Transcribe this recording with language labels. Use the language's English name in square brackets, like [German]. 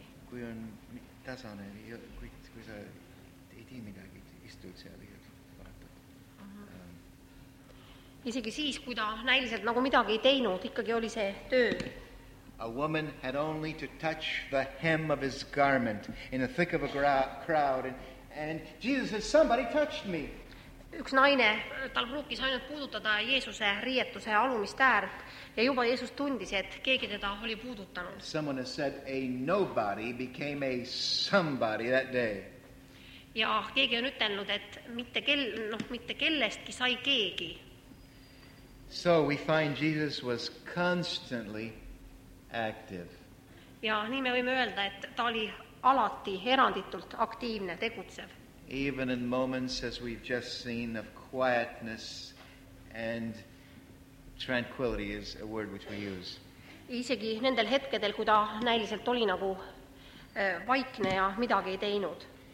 [Estonian] Kui on tasane, kui sa ei tii midagi, istud seal ja vaatad. Isegi siis, kui ta näiliselt nagu midagi ei teinud, ikkagi oli see töö. [English] A woman had only to touch the hem of his garment in the thick of a crowd and Jesus says, somebody touched me. [Estonian] Üks naine, tal pruukis ainult puudutada Jeesuse riietuse alumist äärt ja juba Jeesus tundis, et keegi teda oli puudutanud. [English] Someone has said, a nobody became a somebody that day. [Estonian] Ja keegi on ütelnud, et mitte kellestki sai keegi. [English] So we find Jesus was constantly active. [Estonian] Ja nii me võime öelda, et ta oli alati eranditult aktiivne, tegutsev. [English] Even in moments, as we've just seen, of quietness and tranquility is a word which we use. [Estonian] Isegi nendel hetkedel, kui ta näiliselt oli nagu vaikne ja midagi ei teinud.